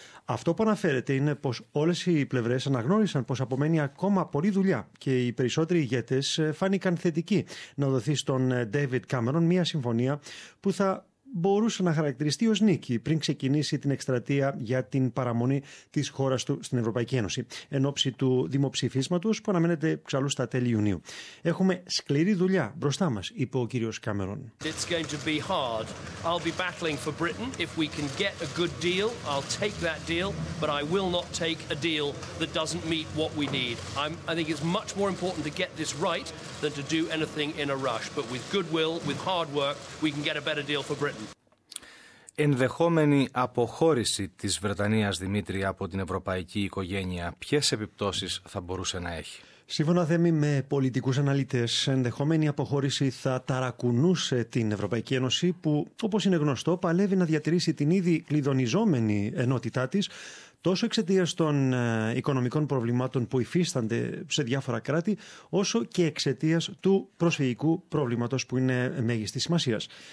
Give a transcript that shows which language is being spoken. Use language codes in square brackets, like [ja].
[el] Αυτό που αναφέρεται είναι πως όλες οι πλευρές αναγνώρισαν πως απομένει ακόμα πολλή δουλειά και οι περισσότεροι ηγέτες φάνηκαν θετικοί να δοθεί στον David Cameron μια συμφωνία που θα μπορούσε να χαρακτηριστεί ως νίκη πριν ξεκινήσει την εκστρατεία για την παραμονή της χώρας του στην Ευρωπαϊκή Ένωση εν ώψη του δημοψηφίσματος που αναμένεται ξαλού στα τέλη Ιουνίου. Έχουμε σκληρή δουλειά μπροστά μας, είπε ο κύριος Cameron. [en] It's going to be hard. I'll be battling for Britain. If we can get a good deal, I'll take that deal, but I will not take a deal that doesn't meet what we need. I think it's much more important to get this right than to do anything in a rush, but with goodwill, with hard work, we can get a better deal for Britain. [el] Ενδεχόμενη αποχώρηση της Βρετανίας, Δημήτρη, από την Ευρωπαϊκή Οικογένεια, ποιες επιπτώσεις θα μπορούσε να έχει? Σύμφωνα, Θέμη, με πολιτικούς αναλυτές, ενδεχόμενη αποχώρηση θα ταρακουνούσε την Ευρωπαϊκή Ένωση που, όπως είναι γνωστό, παλεύει να διατηρήσει την ήδη κλειδωνιζόμενη ενότητά της τόσο εξαιτίας των οικονομικών προβλημάτων που υφίστανται σε διάφορα κράτη, όσο και εξαιτίας του προσφυγικού προβλήματος που είναι μέγιστης σημασίας.